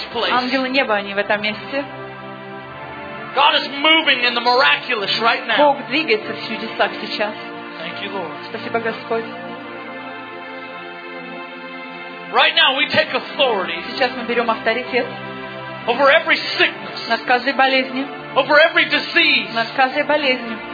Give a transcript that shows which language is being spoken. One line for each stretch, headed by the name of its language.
Russian: Ангелы неба, они в этом месте.
English: God is moving in the miraculous right now.
Russian: Бог двигается в чудесах сейчас.
English: Thank you, Lord.
Russian: Спасибо, Господь.
English: Right now we take authority.
Russian: Сейчас мы берем авторитет.
English: Over every sickness.
Russian: Над каждой болезнью.
English: Over every disease.
Russian: Над каждой болезнью.